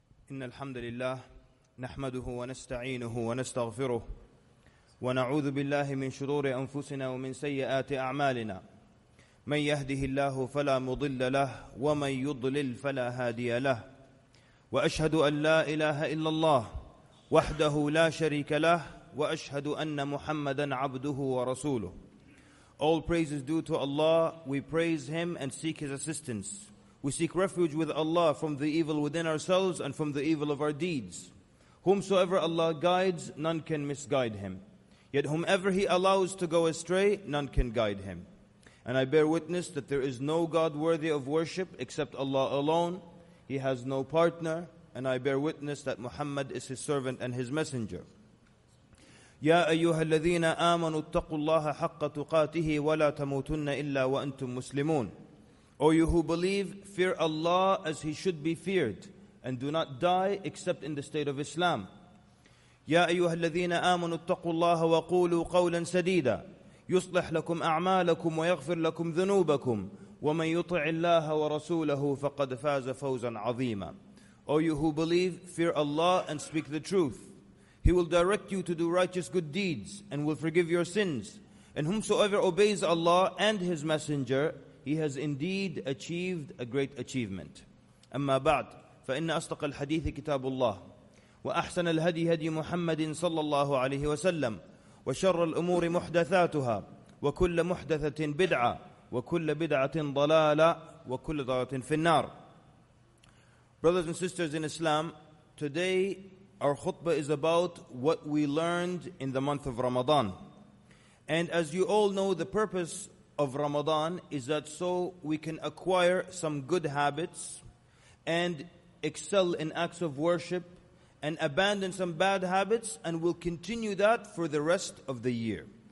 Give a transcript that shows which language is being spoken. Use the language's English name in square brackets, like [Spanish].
[Arabic] إن الحمد لله نحمده ونستعينه ونستغفره ونعوذ بالله من شرور أنفسنا ومن سيئات أعمالنا من يهده الله فلا مضل له ومن يضلل فلا هادي له وأشهد أن لا إله إلا الله وحده لا شريك له وأشهد أن محمدًا عبده ورسوله. [English] All praise is due to Allah. We praise Him and seek His assistance. We seek refuge with Allah from the evil within ourselves and from the evil of our deeds. Whomsoever Allah guides, none can misguide him. Yet whomever he allows to go astray, none can guide him. And I bear witness that there is no God worthy of worship except Allah alone. He has no partner. And I bear witness that Muhammad is his servant and his messenger. [Arabic] يَا أَيُّهَا الَّذِينَ آمَنُوا اتَّقُوا اللَّهَ حَقَّ تُقَاتِهِ وَلَا تَمُوتُنَّ إِلَّا وَأَنْتُمْ مُسْلِمُونَ. [English] O you who believe, fear Allah as He should be feared, and do not die except in the state of Islam. [Arabic] يَا أَيُّهَا الَّذِينَ آمَنُوا اتَّقُوا اللَّهَ وَقُولُوا قَوْلًا سَدِيدًا يصلح لكم أعمالكم ويغفر لكم ذنوبكم ومن يطع الله ورسوله فقد فاز فوزا عظيما. [English] O you who believe, fear Allah and speak the truth. He will direct you to do righteous good deeds and will forgive your sins. And whomsoever obeys Allah and His Messenger, he has indeed achieved a great achievement. [Arabic] أما بعد فإن أصدق الحديث كتاب الله وأحسن الهدي هدي محمد صلى الله عليه وسلم وشر الأمور محدثاتها وكل محدثة بدعة وكل بدعة ضلالة وكل ضلالة في النار. [English] Brothers and sisters in Islam, today our khutbah is about what we learned in the month of Ramadan. And as you all know, the purpose of Ramadan is that so we can acquire some good habits and excel in acts of worship and abandon some bad habits, and we'll continue that for the rest of the year.